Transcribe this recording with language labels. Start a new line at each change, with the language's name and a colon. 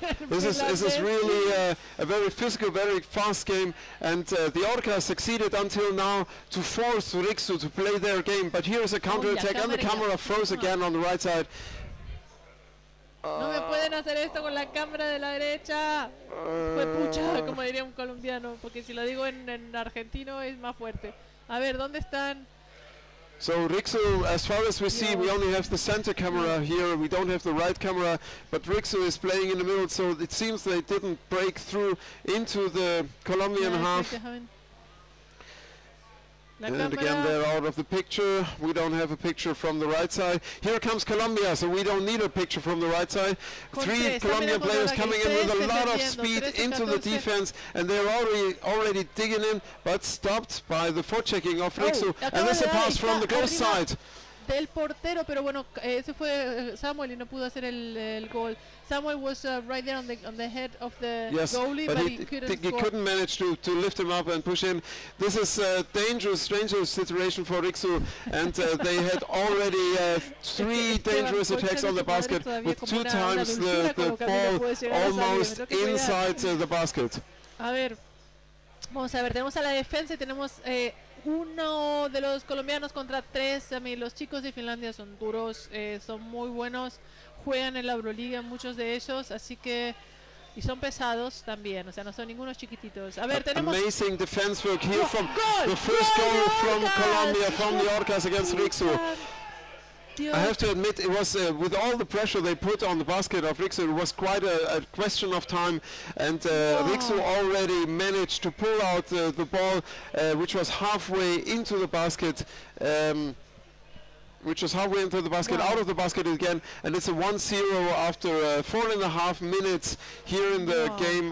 English: this is really a very physical, very fast game. And the Orcas succeeded until now to force Riksu to play their game. But here is a counterattack, and the camera froze again on the right side.
Spanish: No me pueden hacer esto con la cámara de la derecha. Fue pucha, como diría un colombiano. Porque si lo digo en argentino es más fuerte. A ver, ¿dónde están?
English: So Riksu, as far as we see, we only have the center camera here. We don't have the right camera, but Riksu is playing in the middle. So it seems they didn't break through into the Colombian half. And again, they're out of the picture. We don't have a picture from the right side. Here comes Colombia, so we don't need a picture from the right side. Three Colombian players coming in with a lot of speed into the defense, and they're already digging in, but stopped by the forechecking of Riksu. And this is a pass from the close side.
Spanish: Del portero, pero bueno, ese fue Samuel y no pudo hacer el gol.
English: Samuel was right there on the head of the goalie, but he couldn't manage to lift him up and push him. This is a dangerous situation for Riksu, and they had already three dangerous attacks on the basket with two times the ball almost inside the basket.
Spanish: A ver, vamos a ver, tenemos a la defensa y tenemos... uno de los colombianos contra tres. A mí los chicos de Finlandia son duros, son muy buenos, juegan en la Euroliga muchos de ellos, así que, y son pesados también, o sea, no son ningunos chiquititos. A ver, tenemos
English: amazing defense work here from the first goal from Colombia, from the Orcas against Riksu. I have to admit, it was with all the pressure they put on the basket of Riksu, it was quite a question of time, and Riksu already managed to pull out the ball, which was halfway into the basket, out of the basket again, and it's a 1-0 after 4.5 minutes here in the game.